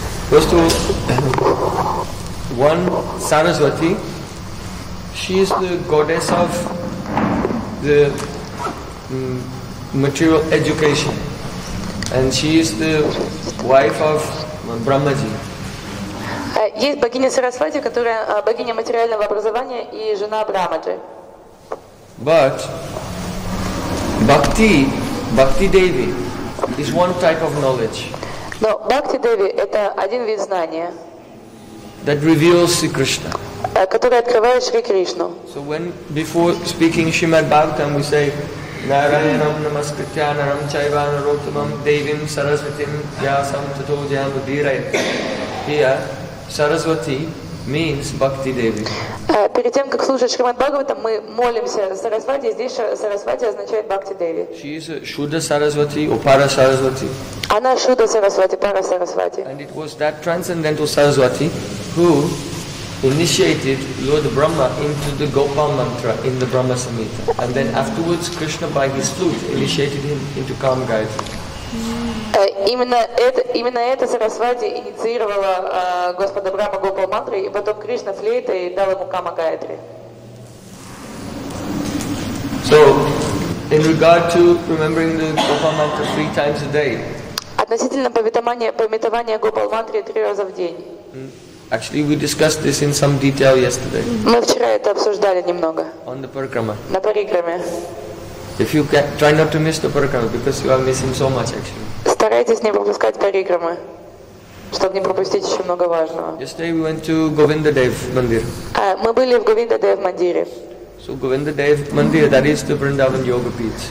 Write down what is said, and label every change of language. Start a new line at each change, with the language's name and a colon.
English: First of all, one Saraswati, she is the goddess of the material education, and she is the wife of Brahmaji.
Russian: Есть богиня Сарасвати, которая богиня материального образования и жена Брахмаджи.
English: But bhakti, bhakti Devi, is one type of knowledge.
Russian: Но Бхакти Деви – это один вид знания,
English: that reveals Krishna,
Russian: который открывает Шри Кришну.
English: So when before speaking Shrimad Bhagavatam, we say
Sanskrit: Narayanam Namaskritya Naram Chaiva Narottamam Devim Sarasvatim Vyasam Tato Jaya Budhirai.
English: Here, Saraswati means Bhakti Devi.
Russian: Перед тем, как слушать Шримад Бхагаватам, мы молимся Сарасвати, здесь Сарасвати означает Бхакти Деви.
English: She is a Shuddha Sarasvati or Para Sarasvati.
Russian: Она Шуда Сарасвати, Пара Сарасвати.
English: And it was that transcendental Sarasvati who initiated Lord Brahma into the Gopal mantra in the Brahma Samhita. And then afterwards Krishna by his flute initiated him into Kaam Gayatri.
Russian: Именно это Сарасвати инициировала Господа Брахма Гопал мантры, и потом Кришна флейта и дал ему Кама Гаятри.
English: So, in regard to remembering the Gopal mantra three times a day.
Russian: Относительно памятования Гопал мантры три раза в день.
English: Actually, we discussed this in some detail yesterday.
Russian: Мы вчера это обсуждали немного.
English: On the parikrama.
Russian: На парикраме.
English: If you can, try not to miss the parikrama, because you are missing so much, actually.
Russian: Старайтесь не пропускать парикрамы, чтобы не пропустить еще много важного.
English: Yesterday we went to Govindadev Mandir.
Russian: Мы были в Govindadev Mandir.
English: So Govindadev Mandir, that is the Vrindavan Yoga Pit.